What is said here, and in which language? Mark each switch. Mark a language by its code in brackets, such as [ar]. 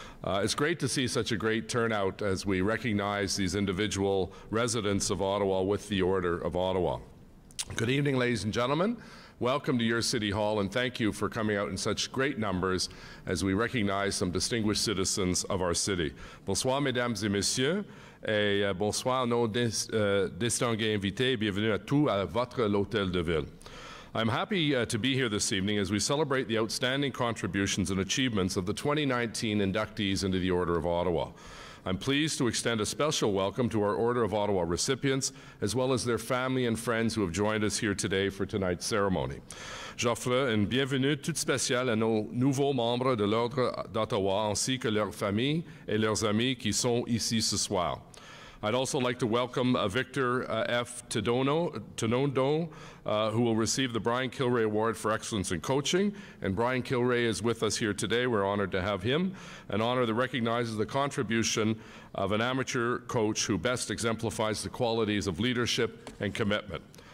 [en] It's great to see such a great turnout as we recognize these individual residents of Ottawa with the Order of Ottawa. Good evening, ladies and gentlemen. Welcome to your City Hall, and thank you for coming out in such great numbers as we recognize some distinguished citizens of our city. [fr] Bonsoir, mesdames et messieurs, et bonsoir, nos distingués invités, bienvenue à tous à votre hôtel de ville. [en] I'm happy to be here this evening as we celebrate the outstanding contributions and achievements of the 2019 inductees into the Order of Ottawa. I'm pleased to extend a special welcome to our Order of Ottawa recipients, as well as their family and friends who have joined us here today for tonight's ceremony. [fr] J'offre une bienvenue toute spéciale à nos nouveaux membres de l'Ordre d'Ottawa, ainsi que leurs familles et leurs amis qui sont ici ce soir. [en] I'd also like to welcome Victor F. Tenondo, who will receive the Brian Kilray Award for Excellence in Coaching. And Brian Kilray is with us here today. We're honored to have him, an honor that recognizes the contribution of an amateur coach who best exemplifies the qualities of leadership and commitment.